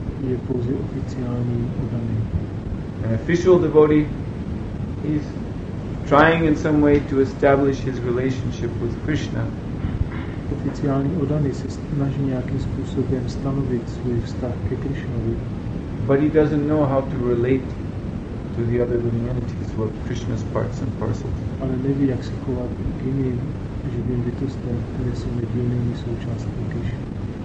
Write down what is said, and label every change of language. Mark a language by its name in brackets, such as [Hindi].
[Czech] Je pouze oficiální oddaný. [English] An official devotee is trying in some way to establish his relationship with Krishna. [Czech] Oficiální oddaný se snaží nějakým způsobem stanovit svůj vztah ke Krišnovi. [English] But he doesn't know how to relate to the other living entities, what Krishna's parts and parcels. [Czech] Ale neví, jak se chovat k jiným živým bytostem, které jsou nedílnými součástmi Krišny.